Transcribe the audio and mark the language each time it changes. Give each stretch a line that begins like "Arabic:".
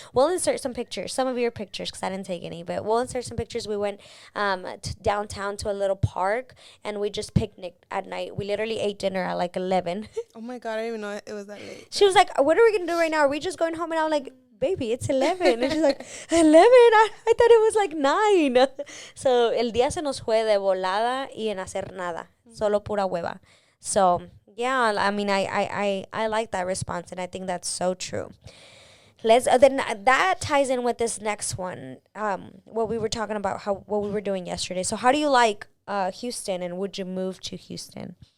English: We'll insert some pictures, some of your pictures, because I didn't take any, but we'll insert some pictures. We went downtown to a little park and we just picnicked at night. We literally ate dinner at like 11. Oh my god, I didn't even know it was that late. She was like, what are we gonna do right now, are we just going home? And I'm like, baby, it's 11. And she's like, 11? I thought it was like 9.
Spanish: So el día se nos fue de volada y en hacer nada, solo pura hueva.
English: So yeah, I mean, I like that response, and I think that's so true. Then that ties in with this next one, what we were talking about, what we were doing yesterday. So how do you like Houston, and would you move to Houston?